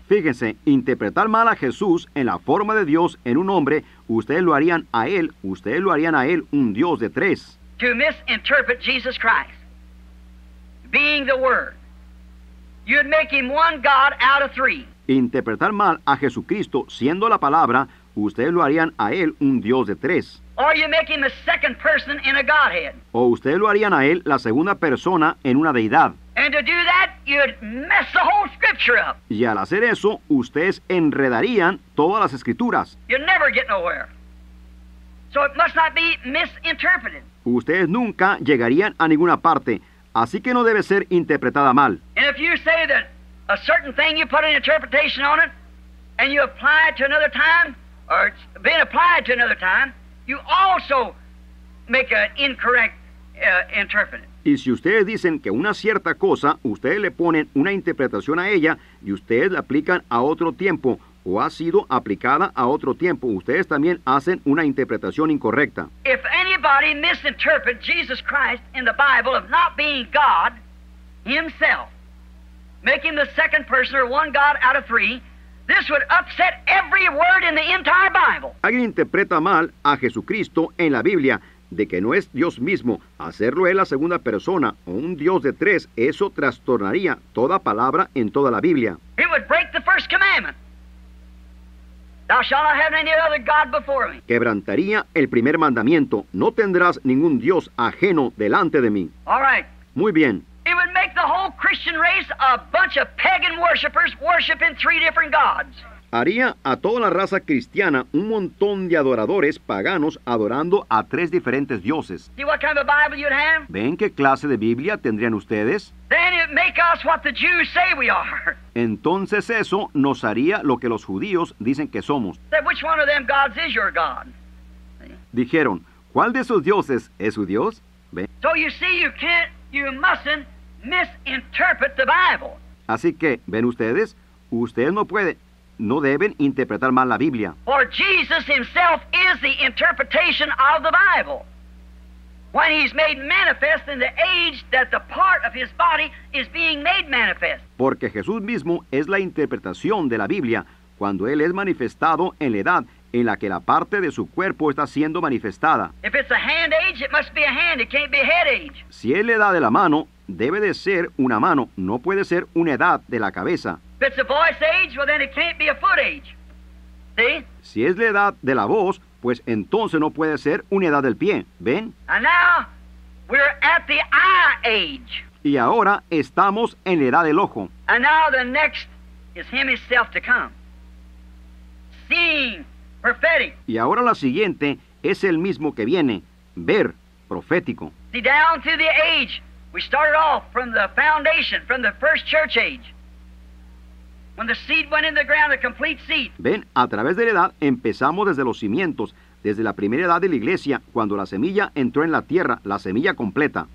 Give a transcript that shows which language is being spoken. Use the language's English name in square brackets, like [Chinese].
[Spanish] Fíjense, interpretar mal a Jesús en la forma de Dios en un hombre, ustedes lo harían a él un Dios de tres. [English] To misinterpret Jesus Christ being the Word, you'd make him one God out of three. [Spanish] Interpretar mal a Jesucristo siendo la palabra, ustedes lo harían a él un Dios de tres. [English] Or you make him a second person in a Godhead. [Spanish] O ustedes lo harían a él la segunda persona en una deidad. [English] And to do that, you'd mess the whole scripture up. [Spanish] Y al hacer eso, ustedes enredarían todas las escrituras. [English] You'd never get nowhere. So it must not be misinterpreted. [Spanish] Ustedes nunca llegarían a ninguna parte. Así que no debe ser interpretada mal. [English] And if you say that a certain thing, you put an interpretation on it, and you apply it to another time, or it's been applied to another time, you also make an incorrect interpret. [Spanish] Y si ustedes dicen que una cierta cosa, ustedes le ponen una interpretación a ella, y ustedes la aplican a otro tiempo, o ha sido aplicada a otro tiempo. Ustedes también hacen una interpretación incorrecta. [English] If anybody misinterprets Jesus Christ in the Bible of not being God himself, making the second person or one God out of three, this would upset every word in the entire Bible. [Spanish] Alguien interpreta mal a Jesucristo en la Biblia de que no es Dios mismo, hacerlo él la segunda persona o un Dios de tres, eso trastornaría toda palabra en toda la Biblia. [English] It would break the first commandment. Thou shalt not have any other God before me. [Spanish] Quebrantaría el primer mandamiento, no tendrás ningún Dios ajeno delante de mí. [English] All right. [Spanish] Muy bien. [English] It would make the whole Christian race a bunch of pagan worshipers worshiping three different gods. [Spanish] Haría a toda la raza cristiana un montón de adoradores paganos adorando a tres diferentes dioses. [English] See what kind of Bible you'd have? [Spanish] ¿Ven qué clase de Biblia tendrían ustedes? [English] Then it'd make us what the Jews say we are. [Spanish] Entonces eso nos haría lo que los judíos dicen que somos. [English] Said, which one of them gods is your God? [Spanish] Dijeron, ¿cuál de esos dioses es su Dios? ¿Ven? [English] So you see, you can't, you mustn't misinterpret the Bible. [Spanish] Así que, ¿ven ustedes? Ustedes no pueden... No deben interpretar mal la Biblia. [English] For Jesus himself is the interpretation of the Bible. When he's made manifest in the age that the part of his body is being made manifest. [Spanish] Porque Jesús mismo es la interpretación de la Biblia cuando él es manifestado en la edad en la que la parte de su cuerpo está siendo manifestada. [English] If it's a hand age, it must be a hand. It can't be a head age. [Spanish] Si es la edad de la mano, debe de ser una mano. No puede ser una edad de la cabeza. [English] If it's a voice age, well then it can't be a foot age. See? [Spanish] Si es la edad de la voz, pues entonces no puede ser una edad del pie. ¿Ven? [English] And now we're at the eye age. [Spanish] Y ahora estamos en la edad del ojo. [English] And now the next is him himself to come. Seeing, prophetic. [Spanish] Y ahora la siguiente es el mismo que viene. Ver, profético. [English] See, down to the age. We started off from the foundation, from the first church age. When the seed went in the ground, a complete seed. [Spanish] Ven, a través de la edad, empezamos desde los cimientos, desde la primera edad de la iglesia, cuando la semilla entró en la tierra, la semilla completa.